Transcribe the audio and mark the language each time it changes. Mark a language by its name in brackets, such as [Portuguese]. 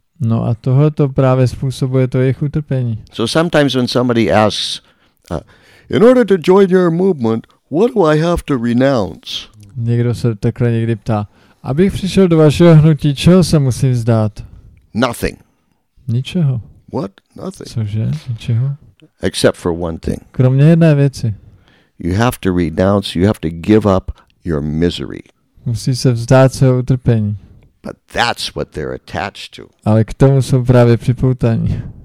[Czech] No a tohle to právě způsobuje to jejich utrpení. [English] So sometimes when somebody asks, in order to join your movement, what do I have to renounce? [Czech] Někdo se takhle někdy ptá, abych přišel do vašeho hnutí, čeho se musím vzdát? [English] Nothing. [Czech] Ničeho. [English] What? Nothing. [Czech] Cože? Ničeho? [English] Except for one thing. [Czech] Kromě jedné věci. [English] You have to renounce, you have to give up your misery. [Czech] Musí se vzdát svého utrpení. [English] But that's what they're attached to. [Czech] Ale k tomu jsou právě připoutaní.